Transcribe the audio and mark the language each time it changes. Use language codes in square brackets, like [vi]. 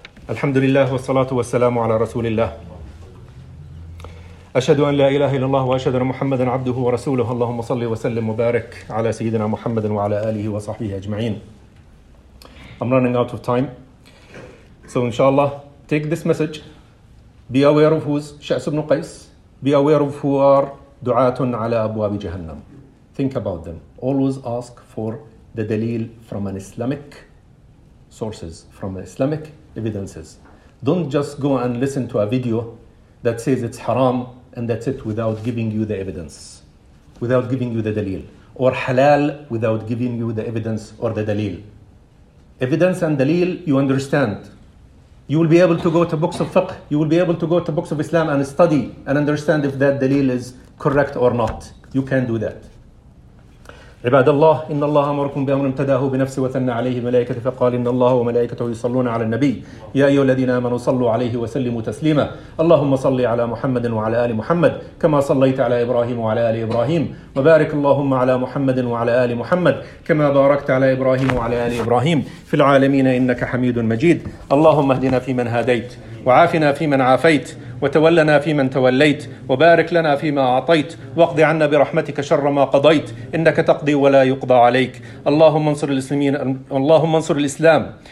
[ar] الحمد لله والصلاة والسلام على رسول الله أشهد أن لا إله إلا الله وأشهد أن محمدا عبده ورسوله اللهم صل وسلم وبارك على سيدنا محمد وعلى آله وصحبه أجمعين. [en] I'm running out of time, so inshallah take this message. Be aware of who's Sha'as ibn Qais. Be aware of who are du'atun ala abwab jahannam. Think about them. Always ask for the dalil from an Islamic sources, from an Islamic evidences. Don't just go and listen to a video that says it's haram and that's it without giving you the evidence, without giving you the dalil, or halal without giving you the evidence or the dalil. Evidence and dalil, you understand. You will be able to go to books of fiqh, you will be able to go to books of Islam and study and understand if that dalil is correct or not. You can do that. [ar] عباد الله إن الله أمركم بأمر امتداه بنفسه وثنى عليه ملائكة فقال إن الله وملائكته يصلون على النبي يا أيها الذين آمنوا صلوا عليه وسلموا تسليما اللهم صل على محمد وعلى آل محمد كما صليت على إبراهيم وعلى آل إبراهيم وبارك اللهم على محمد وعلى آل محمد كما باركت على إبراهيم وعلى آل إبراهيم في العالمين إنك حميد مجيد اللهم اهدنا فيمن هديت وعافنا فيمن عافيت وتولنا فيمن توليت وبارك لنا فيما أعطيت واقض عنا برحمتك شر ما قضيت إنك تقضي ولا يقضى عليك اللهم انصر الإسلام